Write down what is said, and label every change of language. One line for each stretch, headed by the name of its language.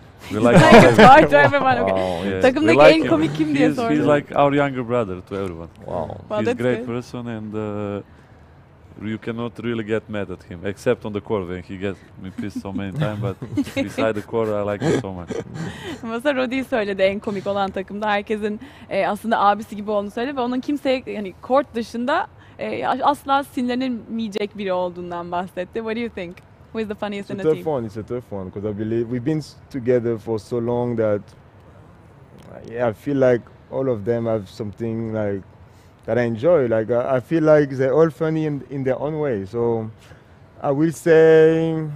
English: We like a toy to everyone. Okay. Oh, yeah.
Turkish: Takımdaki like en komik kim diye sordum.
English: He's like our younger brother to everyone. Wow. He's a great person, and you cannot really get mad at him, except on the court when he gets me pissed so many times, but beside the court I like him so much.
Turkish: Mesela Rodi söyledi en komik olan takımda herkesin aslında abisi gibi olduğunu söyledi ve onun kimseye yani court dışında asla sinirlenemeyecek biri olduğundan bahsetti.
English: What do you think? Who is the funniest in the team? It's a tough one, it's a tough one, because I believe we've been together for so long that yeah, I feel like all of them have something like that I enjoy. Like I feel like they're all funny in their own way. So I will say.